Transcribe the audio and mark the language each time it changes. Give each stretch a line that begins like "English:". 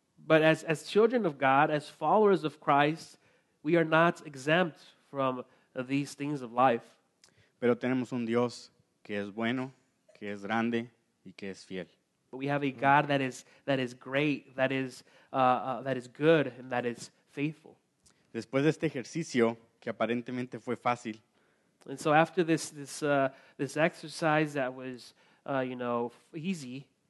English: But as children of God, as followers of Christ, we are not exempt from these things of life.
Spanish: Pero tenemos un Dios que es bueno, que es grande y que es fiel.
English: But we have a God that is great, that is good, and that is faithful.
Spanish: Después de este ejercicio que aparentemente fue fácil.
English: And so after this exercise that was easy.